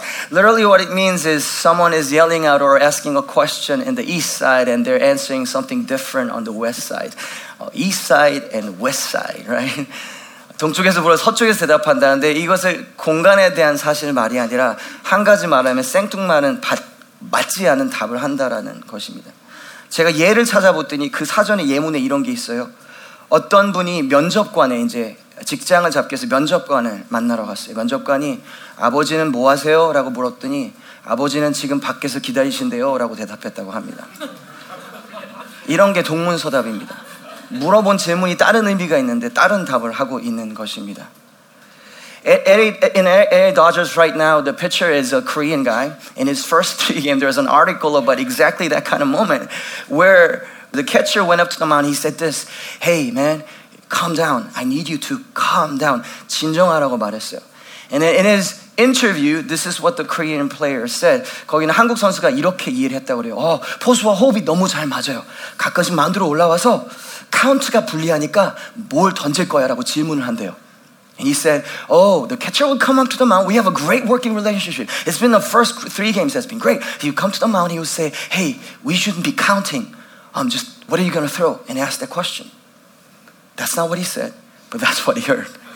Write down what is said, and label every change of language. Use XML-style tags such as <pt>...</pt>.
<en>Literally what it means is someone is yelling out or asking a question in the east side and they're answering something different on the west side. East side and west side, right?</en> <ko>동쪽에서 물어 서쪽에서 대답한다는데 이것을 공간에 대한 사실 말이 아니라 한 가지 말하면 생뚱맞은 맞지 않은 답을 한다라는 것입니다. 제가 예를 찾아봤더니 그 사전에 예문에 이런 게 있어요. 어떤 분이 면접관에 이제 직장을 잡기 위해서 면접관을 만나러 갔어요. 면접관이 아버지는 뭐 하세요? 라고 물었더니 아버지는 지금 밖에서 기다리신대요? 라고 대답했다고 합니다. 이런 게 동문서답입니다. 물어본 질문이 다른 의미가 있는데 다른 답을 하고 있는 것입니다.</ko> <en>In LA Dodgers right now, the pitcher is a Korean guy. In his first three games, there's an article about exactly that kind of moment where the catcher went up to the mound. He said this, hey man, calm down. I need you to calm down.</en> <ko>진정하라고 말했어요.</ko> <en>And in his interview, this is what the Korean player said.</en> <ko>거기는 한국 선수가 이렇게 이해를 했다고 그래요. 어, 포수와 호흡이 너무 잘 맞아요. 가끔씩 마운드로 올라와서 카운트가 불리하니까 뭘 던질 거야? 라고 질문을 한대요.</ko> <en>And he said, oh, the catcher would come up to the mound. We have a great working relationship. It's been the first three games that's been great. If you come to the mound, he would say, hey, we shouldn't be counting. Just what are you going to throw? And ask that question. That's not what he said, but that's what he heard.</en>